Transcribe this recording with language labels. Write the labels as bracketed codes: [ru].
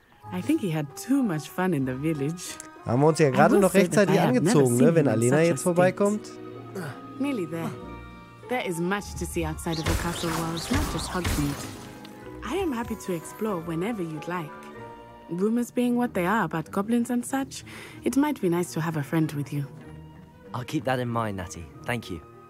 [en] I think he had too much fun in the village. [de] Haben wir uns ja gerade noch rechtzeitig angezogen, ne? Wenn Alina jetzt vorbeikommt. [en] Nearly there. There is much to see outside of the castle walls, not just Hogsmeade. I am happy to explore whenever you'd like. Rumors being what they are about goblins and such, it might be nice to have a friend with you. I'll keep that in mind, Natty. Thank you.